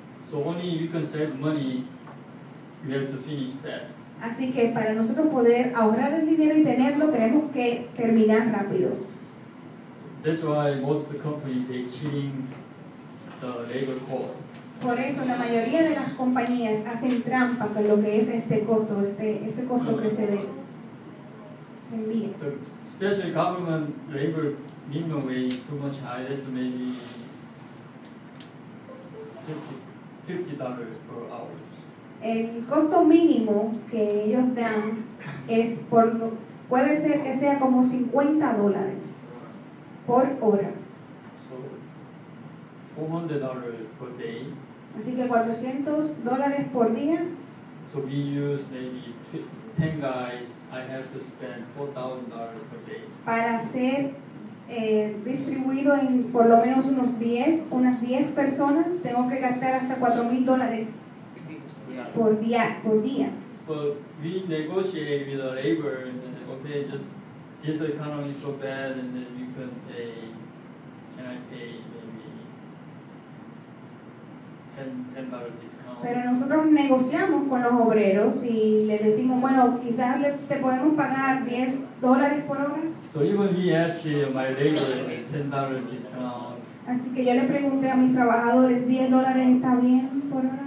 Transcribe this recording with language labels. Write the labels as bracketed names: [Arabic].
[English] So only you can save money, you have to finish fast. [Spanish] Así que para nosotros poder ahorrar el dinero y tenerlo, tenemos que terminar rápido. [English] That's why most companies are cheating the labor cost. [Spanish] Por eso la mayoría de las compañías hacen trampa con lo que es este costo, este costo que se debe. [English] The, especially government labor minimum wage is too much high. That's maybe $50 per hour. [Spanish] El costo mínimo que ellos dan es por, puede ser que sea como $50 por hora. [English] So $400 per day. [Spanish] Así que $400 por día. [English] So we use maybe 10 guys. I have to spend $4,000 per day. [Spanish] Para ser distribuido en por lo menos unas 10 personas, tengo que gastar hasta $4,000 por día. [English] But we negotiate with the labor and then, okay, just this economy is so bad and then you can pay, can I pay maybe $10 discount. [Spanish] Pero nosotros negociamos con los obreros y les decimos, bueno, quizás te podemos pagar $10 por hora. [English] So even he asked my labor $10 discount. [Spanish] Así que yo le pregunté a mis trabajadores, $10 está bien por hora.